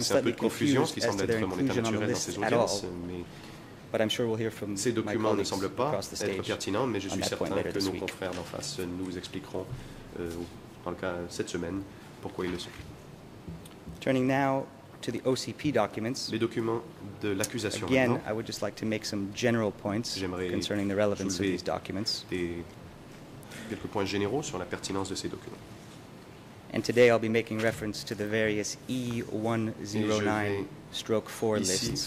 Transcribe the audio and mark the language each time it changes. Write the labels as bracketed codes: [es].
[fr] c'est un peu de confusion, ce qui semble être mon état naturel dans ces audiences, mais [en] but I'm sure we'll hear from [fr] ces documents ne semblent pas être pertinents, mais je suis certain que nos confrères d'en face nous expliqueront dans le cas cette semaine pourquoi ils le sont. [en] Turning now to the OCP documents. [fr] Les documents de l'accusation. [en] Again, I would just like to make some general points concerning the relevance of these documents. [fr] Quelques points généraux sur la pertinence de ces documents. [en] And today I'll be making reference to the various E109/4 lists.